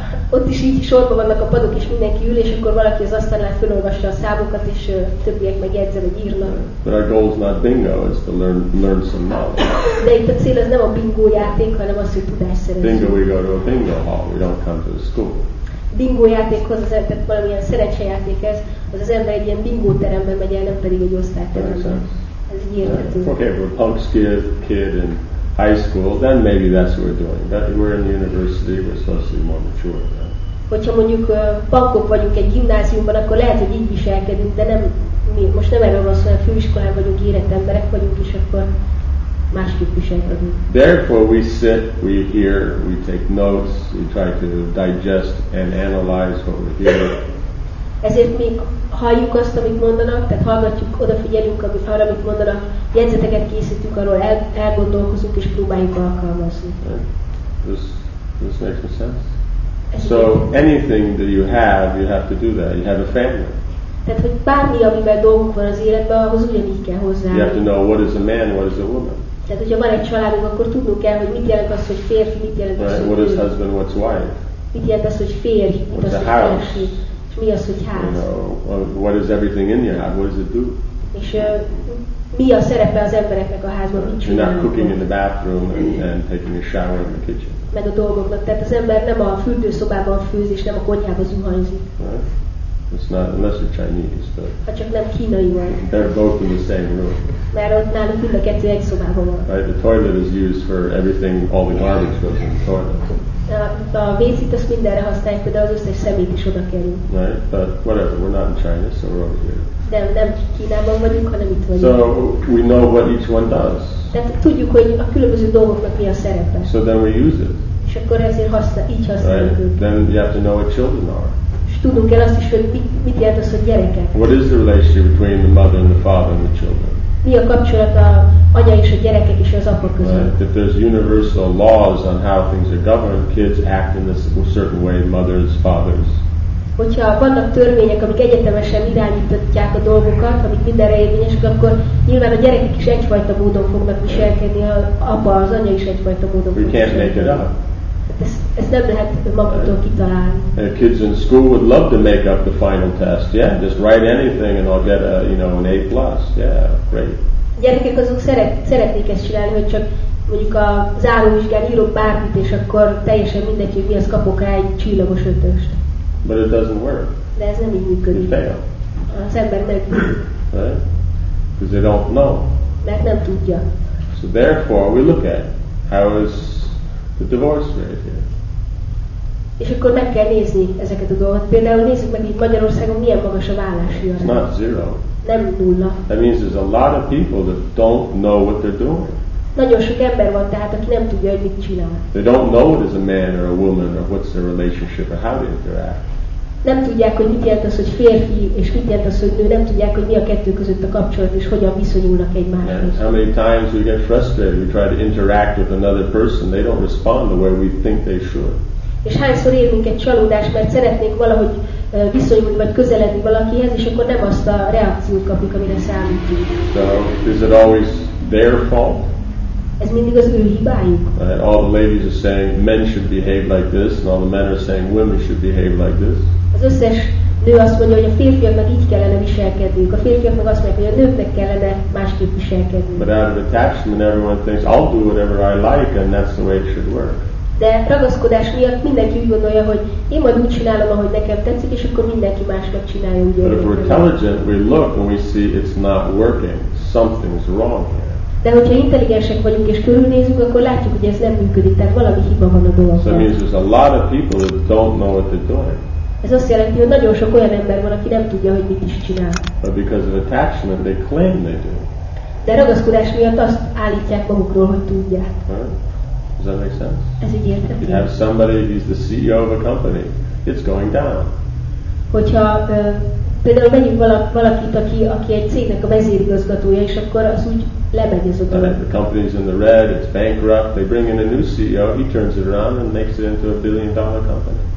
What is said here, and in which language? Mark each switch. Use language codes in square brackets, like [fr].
[hu] Ott is így sorban vannak a padok, és mindenki ül, és akkor valaki az asztalnál fölolvassa a számokat, és többiek meg jegyzel, hogy írnak. [en] But our goal is not bingo, it's to learn some knowledge. [hu] De itt a cél az nem a bingo játék, hanem az, hogy tudást szerezzük. [en] Bingo, we go to a bingo hall, we don't come to the school. [hu] Bingo játékhoz, tehát valamilyen szerencsejátékhez, az az ember egy ilyen bingo teremben megy el, nem pedig egy osztályteremben. Ez így érthető. [en] Okay, we're punk kid and high school, then maybe that's what we're doing. But we're in university, we're supposed to be more mature. [hu] Hogyha mondjuk bankok vagyunk egy gimnáziumban, akkor lehet, hogy így viselkedünk, de nem mi, most nem erről van szó, hogy a főiskolán vagyunk, érett emberek vagyunk, és akkor másképp viselkedünk. [en] Therefore we sit, we hear, we take notes, we try to digest and analyze what we hear. [hu] Ezért mi halljuk azt, amit mondanak, tehát hallgatjuk, odafigyelünk, arra, amit mondanak, jegyzeteket készítünk, arról elgondolkozunk és próbáljuk alkalmazni. [en] This makes no sense. So anything that you have to do that. You have a family. [hu] Tehát, hogy bármi, amivel dolgunk van az életben, ahhoz ugyanígy kell hozzá. [en] You have to know what is a man, what is a woman. [hu] Tehát, hogyha van egy családunk, akkor tudnunk kell, hogy mit jelent az, hogy férfi, mit jelent az, hogy [en] what is husband, what's wife? [hu] Mit jelent az, hogy férj, mit az, hogy férfi? És mi az, hogy ház? [en] You know, what is everything in your house? What does it do? [hu] És mi a szerepe az embereknek a házban? Mit csinálnak? [en] You're not cooking in the bathroom and taking a shower in the kitchen. [hu] Meg a dolgoknak. Tehát az ember nem a fürdőszobában főz, és nem a konyhában zuhanyzik. [en] Right? It's not, unless you're Chinese, but... [hu] Ha csak nem kínai vagy. [en] They're both in the same room. [hu] Mert ott nálunk mind a kettő egy szobában van. [en] Right? The toilet is used for everything, all the garbage goes in the toilet. [hu] A vécét azt mindenre használjuk, de az összes szemét is oda kerül. [en] Right, but whatever, we're not in China, so we're over here. [hu] Nem Kínában vagyunk, hanem itt vagyunk. [en] So we know what each one does. [hu] Tehát tudjuk, hogy a különböző dolgoknak mi a szerepe. [en] So then we use it. [hu] És akkor ezért így használjuk. [en] Right. Then you have to know what children are. [hu] És tudunk el azt is, hogy mit jelent az, hogy gyerekek. [en] What is the relationship between the mother and the father and the children? [hu] Mi a kapcsolat a anya és a gyerekek és az apa között? [en] If there's universal laws on how things are governed, kids act in a certain way, mothers, fathers. [hu] Hogyha vannak törvények, amik egyetemesen irányítatják a dolgokat, amik mindenre érvényesek, akkor nyilván a gyerekek is egyfajta módon fognak viselkedni, apa, az anya is egyfajta módon fognak viselkedni. [en] We can't make it up. [hu] Ezt nem lehet maguktól kitalálni. [en] Kids in school would love to make up the final test. Yeah, just write anything and I'll get an A plus. Yeah, great. [hu] Gyerekek azok szeretnék ezt csinálni, hogy csak mondjuk a záróvizsgán írok bármit, és akkor teljesen mindegy, hogy mi az, kapok rá egy csillagos ötöst. [en] But it doesn't work. [hu] De ez nem így működik. [en] You fail. [hu] Az ember meg. [en] Right? Because they don't know. [hu] mert nem tudja. [en] So therefore we look at how is the divorce rate here. [hu] És akkor meg kell nézni ezeket a dolgokat. Például nézzük meg, itt Magyarországon milyen magas a válási arány. [en] It's not zero. [hu] Nem nulla. [en] That means there's a lot of people that don't know what they're doing. [hu] Nagyon sok ember van tehát, aki nem tudja, hogy mit csinál. [en] They don't know what is a man or a woman or what's their relationship or how they interact. [hu] Nem tudják, hogy mit jelent az, hogy férfi, és mit jelent az, hogy nő. Nem tudják, hogy mi a kettő között a kapcsolat, és hogyan viszonyulnak egymáshoz. [en] And how many times we get frustrated, we try to interact with another person, they don't respond the way we think they should. [hu] És hányszor érünk egy csalódást, mert szeretnénk valahogy viszonyulni, vagy közeledni valakihez, és akkor nem azt a reakciót kapjuk, amire számítunk. [en] So, is it always their fault? [hu] Ez mindig az ő hibájuk. [en] All the ladies are saying men should behave like this, and all the men are saying women should behave like this. [hu] Az összes nő azt mondja, hogy a férfiaknak így kellene viselkedniük. A férfiaknak azt mondja, hogy a nőknek kellene másképp viselkedniük. [en] But out of attachment, everyone thinks I'll do whatever I like, and that's the way it should work. [hu] De ragaszkodás miatt mindenki úgy gondolja, hogy én majd úgy csinálom, ahogy nekem tetszik, és akkor mindenki másnak csinálja úgy. [en] But if we're intelligent, we look and we see it's not working. Something's wrong here. [hu] De hogyha intelligensek vagyunk és körülnézünk, akkor látjuk, hogy ez nem működik, tehát valami hiba van a dologban. [en] So there's a lot of people that don't know what they're doing. [hu] Ez azt jelenti, hogy nagyon sok olyan ember van, aki nem tudja, hogy mit is csinál. [en] But because of attachment, they claim they do. [hu] De ragaszkodás miatt azt állítják magukról, hogy tudják. [en] Does that make sense? [hu] Ez így értem. [en] If you have somebody, he's the CEO of a company, it's going down. [hu] Hogyha például megyünk valakit, aki egy cégnek a vezérigazgatója, és akkor az úgy lemegy az a dolog. [en] The company's in the red, it's bankrupt, they bring in a new CEO, he turns it around and makes it into $1 billion company.